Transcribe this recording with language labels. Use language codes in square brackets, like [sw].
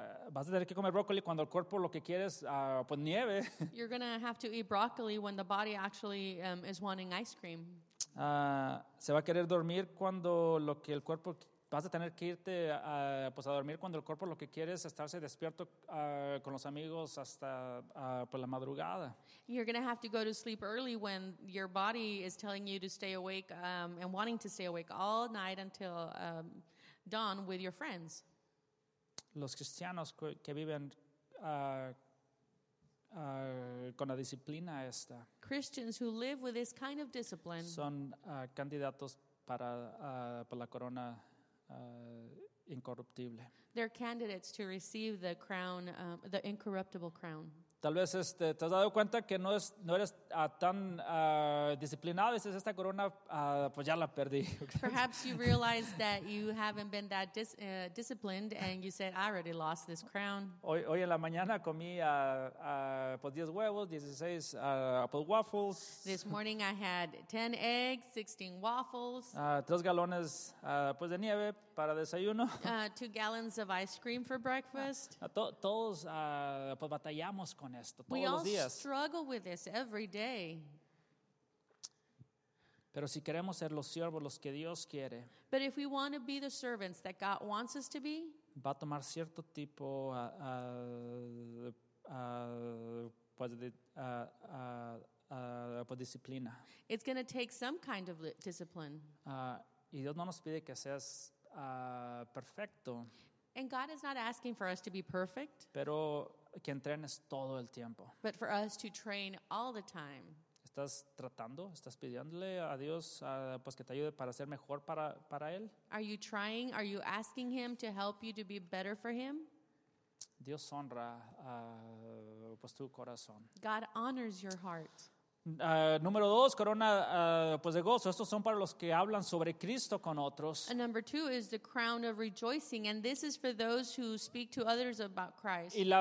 [es] Vas a tener que comer brócoli cuando el cuerpo lo que quiere es pues nieve. [en] You're gonna have to eat broccoli when the body actually is wanting ice cream. [es] Se va a querer dormir cuando lo que el cuerpo vas a tener que irte pues a dormir cuando el cuerpo lo que quiere es estarse despierto con los amigos hasta por la madrugada. [en] You're gonna have to go to sleep early when your body is telling you to stay awake and wanting to stay awake all night until dawn with your friends. [es] Los cristianos que viven con la disciplina esta. [en] Christians who live with this kind of discipline. [es] Son candidatos para por la corona incorruptible. [en] They're candidates to receive the crown, the incorruptible crown. [es] Tal vez te has dado cuenta que no eres tan disciplinado. Dices, esta corona, pues ya la perdí. [en] Perhaps you realize that you haven't been that disciplined and you said, I already lost this crown. [es] Hoy en la mañana comí 10 huevos, 16 [en] apple waffles. This morning I had 10 eggs, 16 waffles. [es] 3 galones de nieve para desayuno. [en] 2 gallons of ice cream for breakfast. [es] Todos batallamos con [en] We all [es] días. [en] Struggle with this every day. [es] Pero si queremos ser los siervos, los que Dios quiere, [en] but if we want to be the servants that God wants us to be, [es] va a tomar cierto tipo de disciplina. [en] It's going to take some kind of discipline. [es] Y Dios no nos pide que seas perfecto. [en] And God is not asking for us to be perfect. [es] Pero que entrenes todo el tiempo. [en] But for us to train all the time. [es] ¿Estás tratando? ¿Estás pidiéndole a Dios pues que te ayude para ser mejor para Él? [en] Are you trying? Are you asking Him to help you to be better for Him? [es] Dios honra pues tu corazón. [en] God honors your heart. [es] Número dos, corona pues de gozo. Estos son para los que hablan sobre Cristo con otros. [en] And number two is the crown of rejoicing, and this is for those who speak to others about Christ.